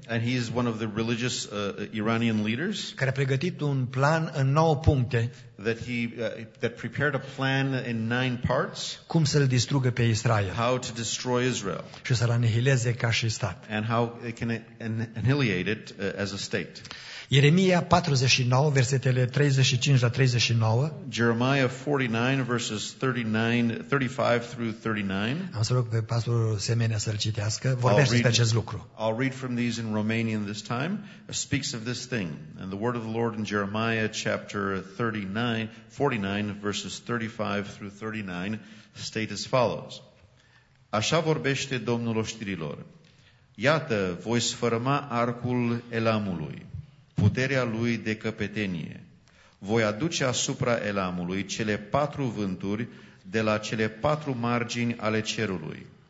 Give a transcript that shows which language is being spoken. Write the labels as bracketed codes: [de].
[en] And he is one of the religious Iranian leaders. [ro] Care a pregătit un plan în 9 puncte. [en] That he that prepared a plan in 9 parts. [ro] Cum să-l distrugă pe Israel. [en] How to destroy Israel. [ro] Și să-l anihileze ca și stat. [en] And how it can annihilate it as a state. [ro] Ieremia 49, versetele 35 la 39. [en] Jeremiah 49, verses 35 through 39. [ro] Am să rog pe pastorul Semenea să-l citească. Vorbește despre acest lucru. [en] I'll read from these in Romanian this time. It speaks of this thing. And the word of the Lord in Jeremiah chapter 49, verses 35 through 39, state as follows. [ro] Așa vorbește Domnul oștirilor. Iată, voi sfărâma arcul Elamului. Puterea lui de căpetenie. Voi aduce asupra Elamului cele patru vânturi de la cele patru margini ale cerului.